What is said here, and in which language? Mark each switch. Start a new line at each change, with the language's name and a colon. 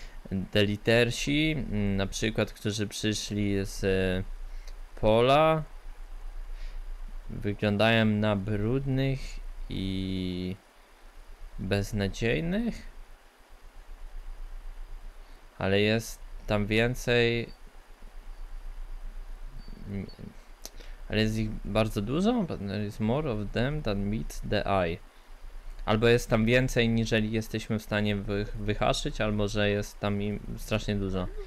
Polish: Delitersi, na przykład, którzy przyszli z pola, wyglądają na brudnych i beznadziejnych, ale jest tam więcej, ale jest ich bardzo dużo.
English: There is more of them than meets the eye.
Polish: Albo jest tam więcej, niżeli jesteśmy w stanie wyhaszyć, albo że jest tam im strasznie dużo.